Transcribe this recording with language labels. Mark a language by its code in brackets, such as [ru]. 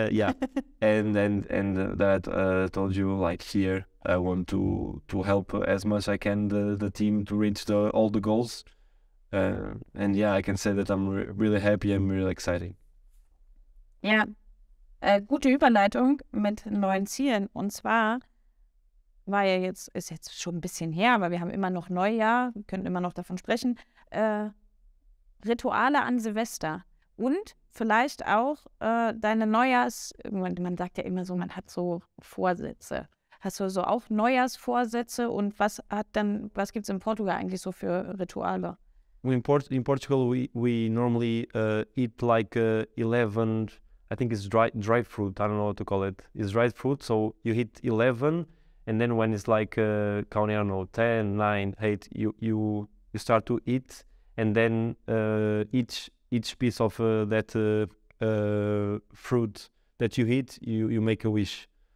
[en] Yeah, and told you, like, here I want to help as much as I can the team to reach all the goals. And yeah, I can say that I'm really happy and really excited. [de] Ja, gute Überleitung mit neuen Zielen. Und zwar war ja jetzt, ist jetzt schon ein bisschen her, aber wir haben immer noch Neujahr, wir können immer noch davon sprechen, Rituale an Silvester und vielleicht auch deine Neujahrs, man sagt ja immer so, man hat so Vorsätze. Hast du so auch Neujahrsvorsätze, und was gibt es in Portugal eigentlich so für Rituale? [en] In Portugal we normally eat like 11, I think it's dried fruit, I don't know what to call it. It's dried fruit, so you eat 11, and then when it's like, count, I don't know, 10, 9, 8, you start to eat, and then each piece of that fruit that you eat, you make a wish.